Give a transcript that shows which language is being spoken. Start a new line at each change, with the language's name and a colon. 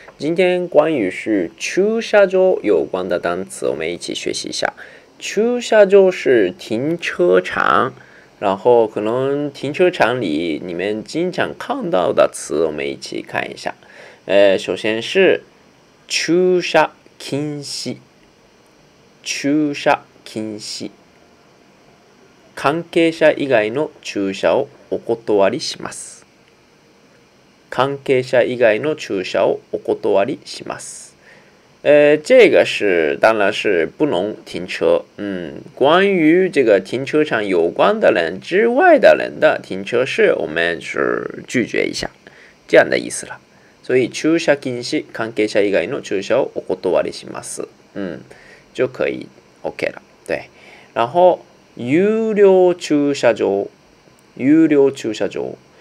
Chinese: 今天关于是駐車場有关的单词，我们一起学习一下。駐車場是停车场，然后可能停车场里面经常看到的词，我们一起看一下。首先是駐車禁止，駐車禁止。
Japanese: 関係者以外の駐車をお断りします。関係者以外の駐車をお断りします。
Chinese: 这个是当然是不能停车。关于这个停车场有关的人之外的人的停车室，我们是拒绝一下，这样的意思了。所以
Japanese: 駐車禁止、関係者以外の駐車をお断りします。
Chinese: 就可以 OK 了。对，然后有料駐車場、有料駐車場。